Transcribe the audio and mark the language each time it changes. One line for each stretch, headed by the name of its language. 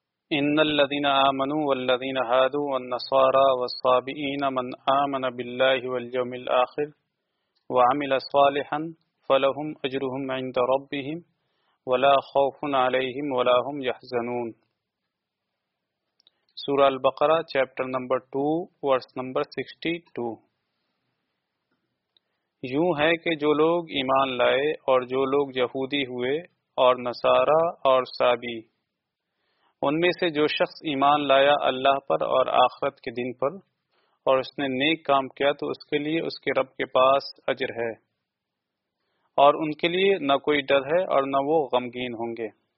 Arabic: ان الذين امنوا والذين هادوا والنصارى والصابئين من امن بالله واليوم الاخر وعمل صالحا فلهم اجرهم عند ربهم ولا خوف عليهم ولا هم يحزنون.
English: سورة البقرة chapter number 2 verse number 62.
Urdu: یوں ہے کہ جو لوگ ایمان لائے اور جو لوگ یہودی ہوئے اور نصارہ اور صابی، ان میں سے جو شخص ایمان لایا اللہ پر اور آخرت کے دن پر اور اس نے نیک کام کیا تو اس کے لیے اس کے رب کے پاس اجر ہے، اور ان کے لیے نہ کوئی ڈر ہے اور نہ وہ غمگین ہوں گے.